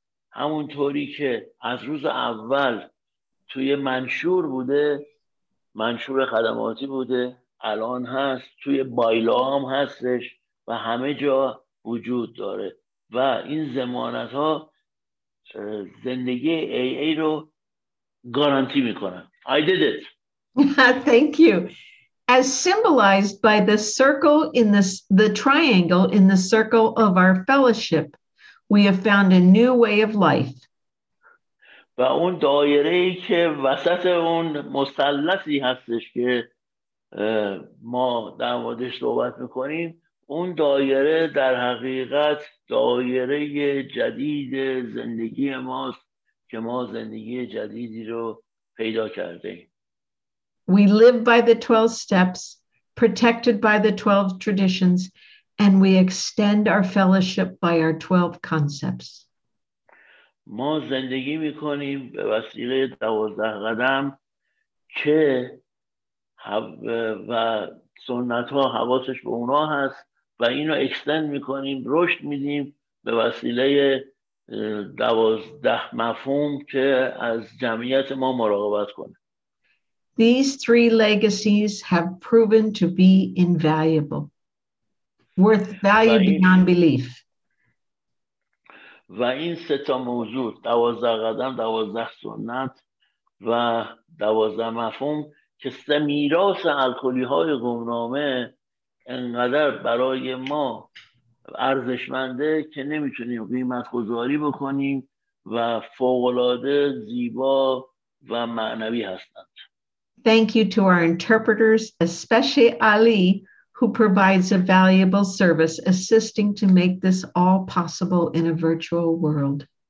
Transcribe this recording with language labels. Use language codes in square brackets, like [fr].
[fa] همونطوری که از روز اول توی منشور بوده، منشور خدماتی بوده، الان هست، توی بایلا هم هستش و همه جا وجود داره و این ضمانت ها زندگی AA رو گارانتی میکنن. [en] I did it. Thank you. As symbolized by the circle in the triangle in the circle of our fellowship, we have found a new way of life. [fa] و اون دایره ای که وسط اون مثلثی هستش که ما در موردش صحبت میکنیم، اون دایره در حقیقت دایره جدید زندگی ماست که ما زندگی جدیدی رو پیدا کردیم. [en] We live by the 12 steps, protected by the 12 traditions, and we extend our fellowship by our 12 concepts. [fa] ما زندگی میکنیم به وسیله 12 قدم که و سنت ها حواسش به اونا هست و اینو اکستند میکنیم، رشد میدیم به وسیله 12 مفهوم که از جمعیت ما مراقبت کنه. [en] These three legacies have proven to be invaluable, worth value beyond belief. [fa] و این سه تا موضوع، 12 قدم، 12 سنت و 12 مفهوم که سه میراث الکلی های گمنامه، انقدر برای ما ارزشمنده که نمیتونیم قیمت گذاری بکنیم و فوق‌العاده زیبا و معنوی هستند. [en] Thank you to our interpreters, especially Ali, who provides a valuable service assisting to make this all possible in a virtual world.